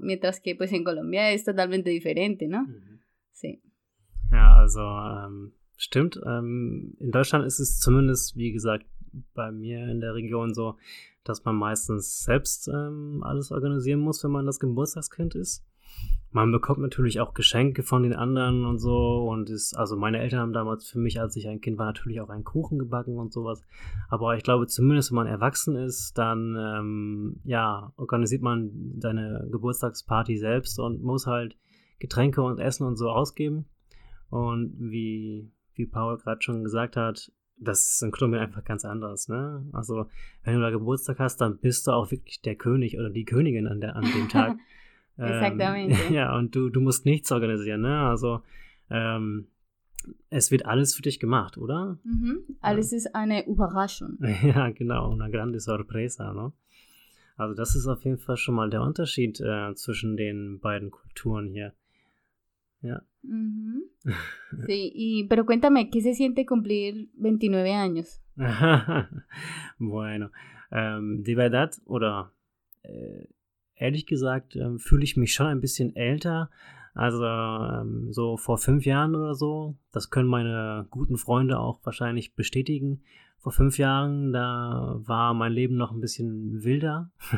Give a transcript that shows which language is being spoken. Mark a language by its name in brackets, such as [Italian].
[Spanish] Mientras que pues en Colombia es totalmente diferente, ¿no? Sí. [German] Ja, also stimmt. In Deutschland ist es zumindest, wie gesagt, bei mir in der Region so, dass man meistens selbst alles organisieren muss, wenn man das Geburtstagskind ist. Man bekommt natürlich auch Geschenke von den anderen und so. Und ist, also meine Eltern haben damals für mich, als ich ein Kind war, natürlich auch einen Kuchen gebacken und sowas. Aber ich glaube, zumindest wenn man erwachsen ist, dann ja, organisiert man deine Geburtstagsparty selbst und muss halt Getränke und Essen und so ausgeben. Und wie Paul gerade schon gesagt hat, das ist in Colombia einfach ganz anders, ne? Also, wenn du da Geburtstag hast, dann bist du auch wirklich der König oder die Königin an dem Tag. [Spanish] Exactamente. [German] Ja, und du musst nichts organisieren, ne? Also, es wird alles für dich gemacht, oder? Alles ist eine Überraschung. Ja, genau, [Spanish] una grande sorpresa, [German] ne? Also, das ist auf jeden Fall schon mal der Unterschied zwischen den beiden Kulturen hier. Ja. [Spanish] Sí, pero cuéntame, ¿qué se siente cumplir 29 años? Bueno, de verdad, [German] oder ehrlich gesagt, fühle ich mich schon ein bisschen älter. Also so vor 5 Jahren oder so, das können meine guten Freunde auch wahrscheinlich bestätigen. Vor 5 Jahren, da war mein Leben noch ein bisschen wilder.